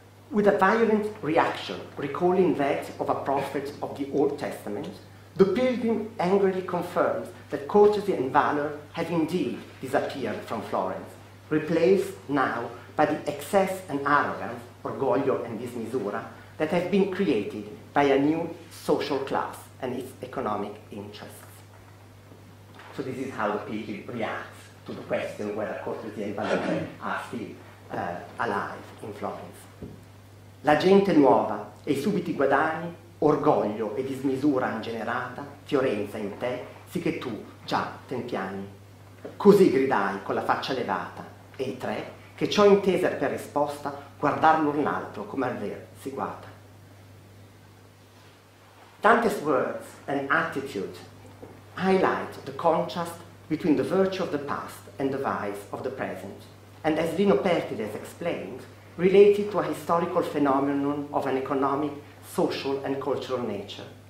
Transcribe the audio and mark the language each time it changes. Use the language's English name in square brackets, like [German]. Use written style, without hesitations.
[English] With a violent reaction recalling that of a prophet of the Old Testament, the pilgrim angrily confirms that courtesy and valor have indeed disappeared from Florence, replaced now by the excess and arrogance, orgoglio and dismisura, that have been created by a new social class and its economic interests. So this is how the pilgrim reacts to the question whether courtesy and valor are still alive in Florence. [Italian] La gente nuova e i subiti guadagni, orgoglio e dismisura ingenerata, Fiorenza in te, sì che tu già ten piani. Così gridai con la faccia levata, e i tre, che ciò intese per risposta, guardar l'un l'altro come al ver si guata. [English] Dante's words and attitude highlight the contrast between the virtue of the past and the vice of the present, and as Lino Pertile has explained, related to a historical phenomenon of an economic, social and cultural nature.